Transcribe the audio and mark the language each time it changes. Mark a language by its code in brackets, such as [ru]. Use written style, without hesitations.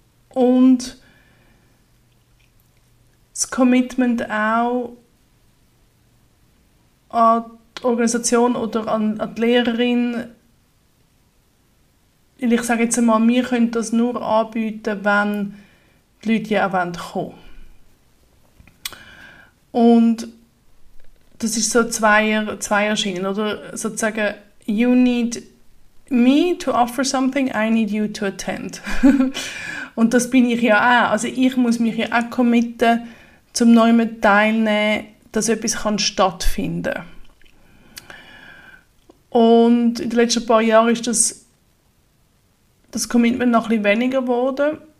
[de] Und das Commitment auch an die Organisation oder an die Lehrerin. Ich sage jetzt einmal, wir können das nur anbieten, wenn die Leute ja auch kommen wollen. Und das ist so zweier Schienen, oder sozusagen, [en] you need me to offer something, I need you to attend. [de] Und das bin ich ja auch. Also ich muss mich ja auch committen, zum neuen Teilnehmen, dass etwas kann stattfinden. Und in den letzten paar Jahren ist das Commitment noch ein bisschen weniger geworden.